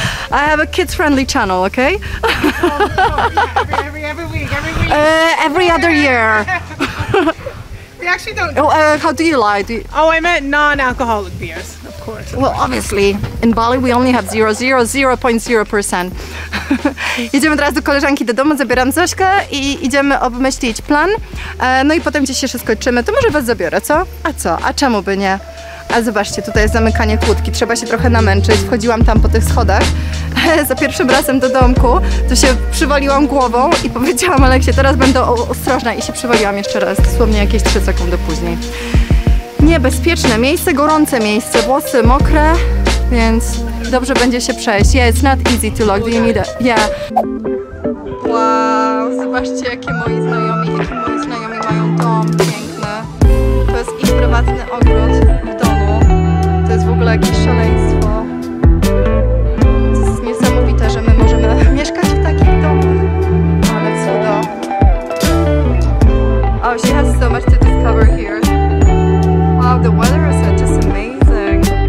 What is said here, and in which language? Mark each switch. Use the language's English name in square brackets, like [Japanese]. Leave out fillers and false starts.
[English] I have a kids-friendly channel, okay? Every week. Every other year. We actually don't. How do you lie? I meant non-alcoholic beers, of course. Well, obviously. In Bali, we only have 0.0%. [Polish] Jedziemy teraz do koleżanki, do domu, zabieram Zośkę i idziemy obmyślić plan. No i potem gdzieś się skończymy, to może was zabiorę, co? A co? A czemu by nie? A zobaczcie, tutaj jest zamykanie kłódki, trzeba się trochę namęczyć. Wchodziłam tam po tych schodach za pierwszym razem do domku, to się przywaliłam głową i powiedziałam Aleksie, teraz będę ostrożna i się przywaliłam jeszcze raz, dosłownie jakieś 3 sekundy później. Niebezpieczne miejsce, gorące miejsce, włosy mokre, więc dobrze będzie się przejść. [English] Yeah, it's not easy to lock, do you need it? Yeah. Wow. [Polish] zobaczcie, jakie moi znajomi mają dom piękny. To jest ich prywatny ogród w domu. To jest w ogóle jakieś szaleństwo. To jest niesamowite, że my możemy mieszkać w takich domach. Ale cudo. [English] Oh, she has so much to discover here. Wow, the weather is just amazing.